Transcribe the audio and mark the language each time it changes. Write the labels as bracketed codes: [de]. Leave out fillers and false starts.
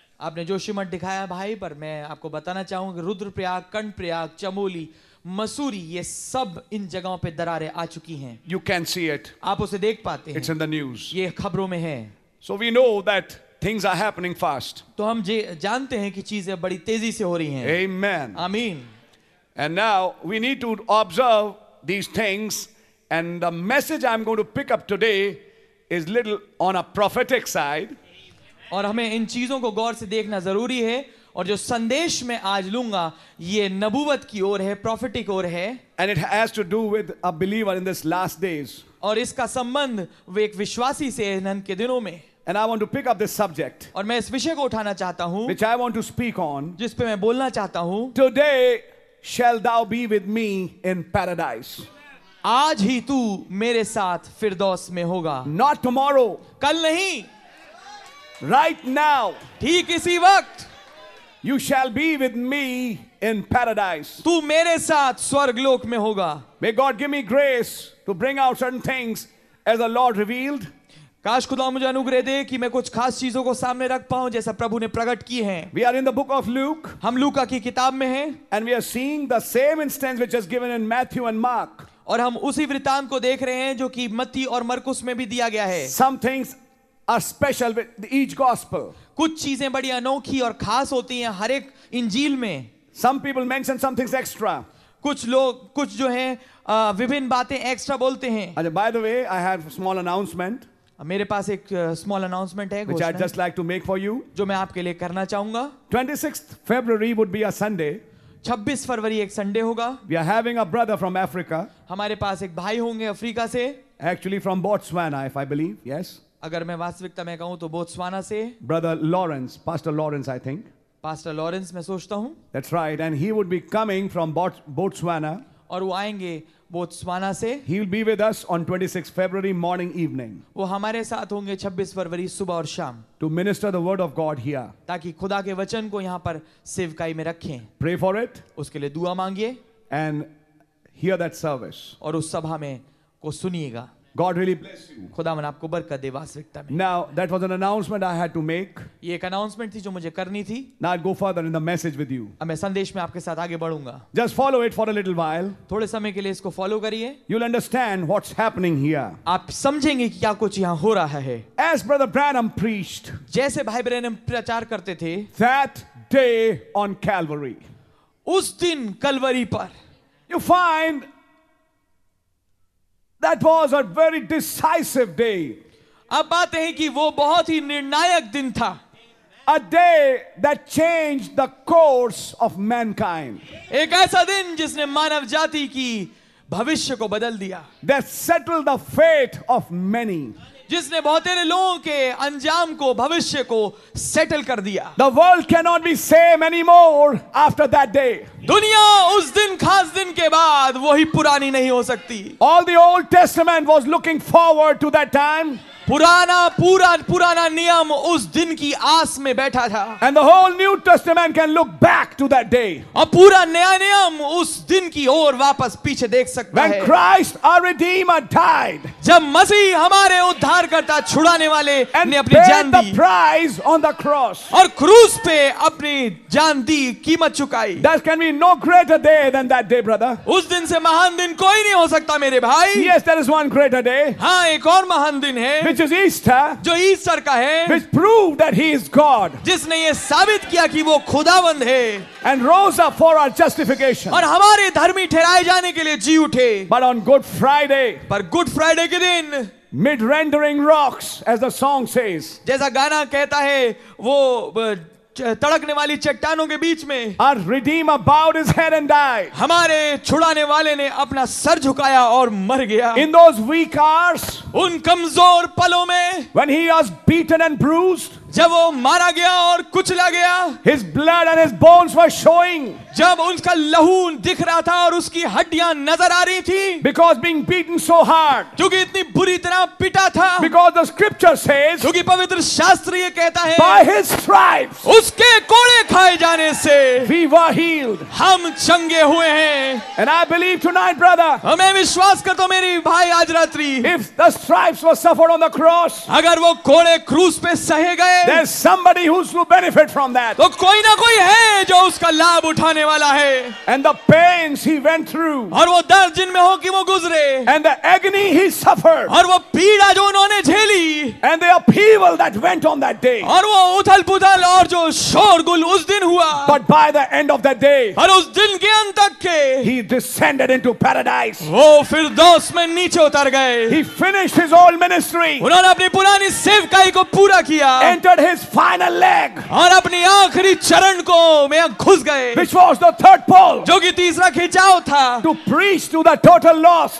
[hi] आपने जोशीमठ दिखाया भाई, पर मैं आपको बताना चाहूंगा रुद्रप्रयाग, कर्णप्रयाग, चमोली, मसूरी, ये सब इन जगहों पे दरारें आ चुकी हैं. [en] You can see it. [hi] आप उसे देख पाते हैं. [en] It's in the news. [hi] ये खबरों में है. [en] So we know that things are happening fast. [hi] तो हम जानते हैं कि चीजें बड़ी तेजी से हो रही हैं. आमीन. आमीन. [en] And now we need to observe these things and the message I am going to pick up today is little on a prophetic side. [hi] और हमें इन चीजों को गौर से देखना जरूरी है. और जो संदेश मैं आज लूंगा ये नबुवत की ओर है, प्रोफेटिक ओर है. [en] And it has to do with a believer in this last days. [hi] और इसका संबंध वे एक विश्वासी से अनंत के दिनों में. [en] And I want to pick up this subject. [hi] और मैं इस विषय को उठाना चाहता हूँ. [en] Which I want to speak on. [hi] जिस पे मैं बोलना चाहता हूँ. [en] Today shall thou be with me in paradise. [hi] आज ही तू मेरे साथ फिरदौस में होगा. [en] Not tomorrow. [hi] कल नहीं. [en] Right now, [hi] ठीक इसी वक्त, [en] you shall be with me in paradise. [hi] तू मेरे साथ स्वर्ग लोक में होगा. [en] May God give me grace to bring out certain things as the Lord revealed. [hi] काश खुदा मुझे अनुग्रह दे कि मैं कुछ खास चीजों को सामने रख पाऊं जैसा प्रभु ने प्रकट की है. [en] We are in the book of Luke. [hi] हम लूका की किताब में हैं. [en] And we are seeing the same instance which is given in Matthew and Mark. [hi] और हम उसी वृतांत को देख रहे हैं जो कि मत्ती और मरकुस में भी दिया गया है. [en] Some things are special with each gospel. [hi] कुछ चीजें बड़ी अनोखी और खास होती हैं हर एक इंजील में. [en] Some people mention some things extra. [hi] कुछ लोग कुछ जो हैं विभिन्न बातें एक्स्ट्रा बोलते हैं. [en] By the way, I have a small announcement. [hi] मेरे पास एक स्मॉल अनाउंसमेंट है [en] which I'd just like to make for you. [hi] जो मैं आपके लिए करना चाहूंगा. [en] 26th February would be a Sunday. [hi] 26 फरवरी एक संडे होगा. [en] We are having a brother from Africa. [hi] हमारे पास एक भाई होंगे अफ्रीका से. [en] Actually from Botswana, if I believe. Yes. [hi] अगर मैं वास्तविकता में कहूं तो बोत्सवाना से. [en] Brother Lawrence, Pastor Lawrence, I think. [hi] Pastor Lawrence, मैं सोचता हूं. [en] That's right. And he would be coming from Botswana. [hi] और वो आएंगे बोत्सवाना से. [en] He will be with us on 26 February morning evening. [hi] वो हमारे साथ होंगे 26 फरवरी सुबह और शाम. [en] To minister the word of God here. [hi] ताकि खुदा के वचन को यहाँ पर सेवकाई में रखें. [en] Pray for it. [hi] उसके लिए दुआ मांगिए. [en] And hear that service. [hi] और उस सभा में को सुनिएगा. [en] God really bless you. [hi] खुदा मन आपको बरकत दे वास्तविकता में. [en] Now that was an announcement I had to make. [hi] ये एक अनाउंसमेंट थी जो मुझे करनी थी. [en] Now I'll go further in the message with you. [hi] अब मैं संदेश में आपके साथ आगे बढ़ूंगा. [en] Just follow it for a little while. [hi] थोड़े समय के लिए इसको फॉलो करिए. [en] You'll understand what's happening here. [hi] आप समझेंगे क्या कुछ यहाँ हो रहा है. [en] As Brother Branham preached. [hi] जैसे भाई ब्रैनम प्रचार करते थे. [en] That day on Calvary. [hi] उस दिन कलवरी पर. [en] You find that was a very decisive day. [hi] अब बातें हैं कि वो बहुत ही निर्णायक दिन था. [en] A day that changed the course of mankind. [hi] एक ऐसा दिन जिसने मानव जाति की भविष्य को बदल दिया. [en] That settled the fate of many. [hi] जिसने बहुत सारे लोगों के अंजाम को भविष्य को सेटल कर दिया. [en] The world cannot be same anymore after that day. [hi] दुनिया उस दिन खास दिन के बाद वही पुरानी नहीं हो सकती. [en] All the Old Testament was looking forward to that time. [hi] पुराना नियम उस दिन की आस में बैठा था. [en] And the whole New Testament can look back to that day. [hi] और पूरा नया नियम उस दिन की ओर वापस पीछे देख सकता है. [en] When Christ our Redeemer died. [hi] जब मसीह हमारे उद्धारकर्ता छुड़ाने वाले ने अपनी जान दी. [en] The price on the cross. [hi] और क्रूस पे अपनी जान दी कीमत चुकाई. [en] There can be no greater day than that day, brother. [hi] उस दिन से महान दिन कोई नहीं हो सकता मेरे भाई. [en] Yes, there is one greater day. [hi] हाँ, एक और महान दिन है. [en] Which is Easter, [hi] जो ईस्टर का है. [en] Which proved that he is God. [hi] जिसने ये साबित किया कि वो खुदावंद है. [en] And rose up for our justification. [hi] और हमारे धर्मी ठहराए जाने के लिए जी उठे. [en] But on Good Friday, [hi] पर गुड फ्राइडे के दिन. [en] Mid rendering rocks, as the song says. [hi] जैसा गाना कहता है वो तड़कने वाली चट्टानों के बीच में. [en] Our Redeemer bowed his head and died. [hi] हमारे छुड़ाने वाले ने अपना सर झुकाया और मर गया. [en] In those weak hours, [hi] उन कमजोर पलों में. [en] When he was beaten and bruised, [hi] जब वो मारा गया और कुचला गया. [en] His blood and his bones were showing, [hi] जब उनका लहू दिख रहा था और उसकी हड्डियां नजर आ रही थी. [en] Because being beaten so hard, [hi] क्योंकि इतनी बुरी तरह पिटा था. [en] Because the scripture says, [hi] क्योंकि पवित्र शास्त्र ये कहता है. [en] By his stripes, [hi] उसके कोड़े खाए जाने से. [en] We were healed, [hi] हम चंगे हुए हैं. [en] And I believe tonight, brother, [hi] हमें विश्वास करता हूं मेरी भाई आज रात्रि. [en] If the stripes were suffered on the cross, [hi] अगर वो कोड़े क्रूस पे सहे गए. [en] There's somebody who's to benefit from that. [hi] तो कोई ना कोई है जो उसका लाभ उठाने वाला है. [en] And the pains he went through. [hi] और वो दर्द जिनमें हो कि वो गुजरे. [en] And the agony he suffered. [hi] और वो पीड़ा जो उन्होंने झेली. [en] And the upheaval that went on that day. [hi] और वो उथल-पुथल और जो शोरगुल उस दिन हुआ. [en] But by the end of that day. [hi] और उस दिन के अंत तक के. [en] He descended into paradise. [hi] वो फिरदौस में नीचे उतर गए. [en] He finished his old ministry. [hi] उन्होंने अपनी पुरानी सेवकाई को पूरा किया. [en] His final leg, [hi] और अपनी आखिरी चरण को में घुस गए, [en] which was the third pole, [hi] जो कि तीसरा खिंचाव था, [en] to preach to the total lost,